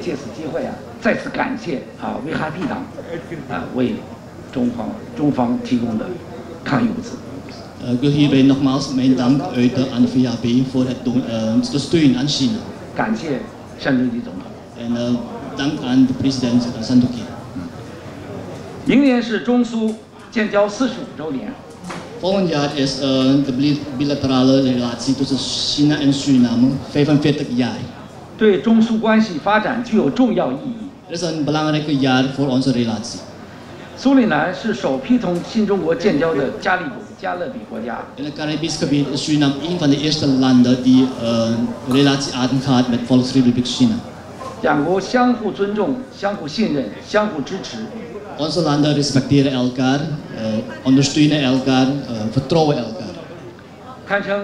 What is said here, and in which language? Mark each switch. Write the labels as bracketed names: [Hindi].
[Chinese] 所以我也借此机会啊，再次感谢啊 VHP-党 为中方提供的抗疫物资。 [Dutch] Ik wil hierbij nogmaals mijn dank uiten aan de VHP voor het de steun aan China. [Chinese] 感谢山东总统。 [Dutch] En dank aan de president Sandoki. [Chinese] 明年是中苏建交45周年。 [Dutch] Volgend jaar is de bilaterale relatie tussen China en Suriname 45 jaar. [Chinese] 对中苏关系发展具有重要意义。 [Dutch] Het is een belangrijk jaar voor onze relatie. [Chinese] 苏里南是首批同新中国建交的加勒比国家。 [Dutch] In het Caribisch gebied is Suriname een van de eerste landen die relatie aangaat met Volksrepubliek China. [Chinese] 两国相互尊重、相互信任、相互支持。 [Dutch] Onze landen respecteren elkaar, ondersteunen elkaar, vertrouwen elkaar.